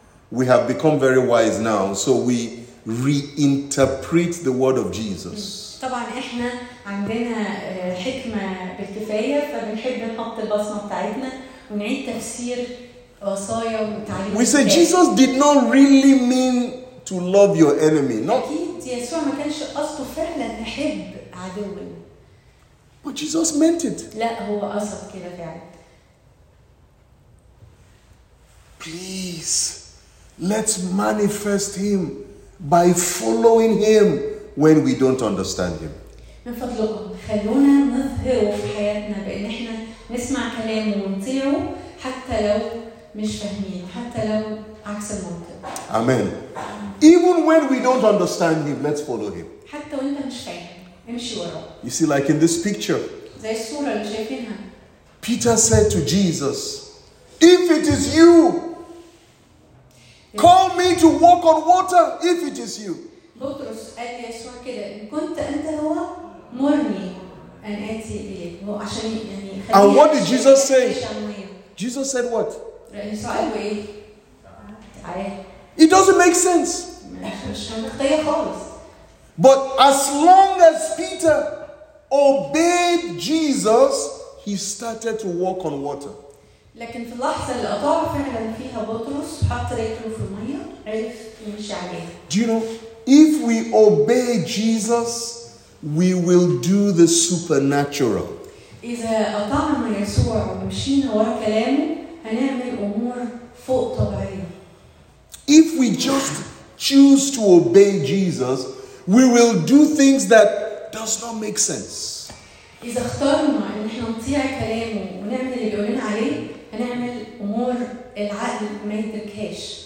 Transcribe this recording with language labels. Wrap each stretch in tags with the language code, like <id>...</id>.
<en>We have become very wise now, so we reinterpret the word of Jesus.</en> <ar>طبعا احنا عندنا حكمه بالكفايه فبنحب نحط البصمه بتاعتنا ونعيد تفسير وصايا وتعليمات.</ar> <en>We say Jesus did not really mean to love your enemy. Not</en> <ar>اكيد يسوع ما كانش قصده فعلا نحب عدونا.</ar> <en>But Jesus meant it.</en> <ar>لا هو قصد كده فعلا.</ar> <en>Please let's manifest him by following him. When we don't understand him.</en> <ar>من فضلكم خلونا نظهره في حياتنا بان احنا نسمع كلامه ونطيعه حتى لو مش فاهمين حتى لو عكس المنطق.</ar> <en>Amen. Even when we don't understand him, let's follow him.</en> <ar>حتى وانت مش فاهم امشي وراه.</ar> <en>You see, like in this picture.</en> <ar>زي الصورة اللي شايفينها.</ar> <en>Peter said to Jesus, if it is you, call me to walk on water if it is you.</en> <ar>بطرس قال يسوع كده إن كنت أنت هو مرني أن آتي إليك هو عشان يعني خليه.</ar> <en>And what did Jesus say? Jesus said what?</en> <ar>يسوع قال إيه؟</ar> <en>It doesn't make sense.</en> <ar>مش منطقية خالص.</ar> <en>But as long as Peter obeyed Jesus, he started to walk on water.</en> <ar>لكن في اللحظة اللي أطاع فعلا فيها بطرس حط رجله في المية عرف يمشي عليها.</ar> <en>Do you know? If we obey Jesus, we will do the supernatural.</en> <ar>إذا أطعنا يسوع ومشينا ورا كلامه هنعمل أمور فوق طبيعية.</ar> <en>If we just choose to obey Jesus, we will do things that does not make sense.</en> <ar>إذا اخترنا إن احنا نطيع كلامه ونعمل اللي بيقولنا عليه هنعمل أمور العقل ما يدركهاش.</ar>